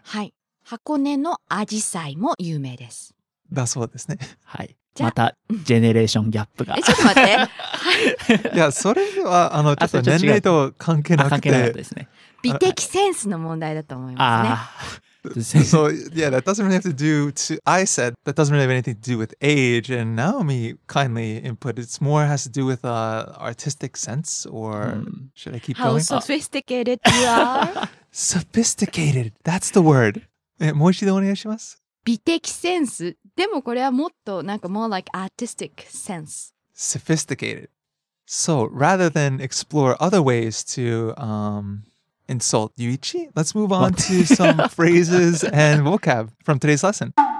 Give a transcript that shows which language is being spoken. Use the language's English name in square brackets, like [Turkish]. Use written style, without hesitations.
[Japanese] はい。箱根のアジサイも有名です。だそうですね。はい。また、ジェネレーションギャップが。ちょっと待って。いや、それは、ちょっと年齢と関係なくて。関係なかったですね。美的センスの問題だと思いますね。 [English] So, yeah, that doesn't really have to do to... I said that doesn't really have anything to do with age, and Naomi kindly input. It's more has to do with artistic sense, or should I keep How going? How sophisticated you are. Sophisticated, that's the word. [Japanese] もう一度お願いします。美的センス。でもこれはもっとなんか [English] more like artistic sense. Sophisticated. So, rather than explore other ways to... insult Yuichi? Let's move on to some phrases and vocab from today's lesson.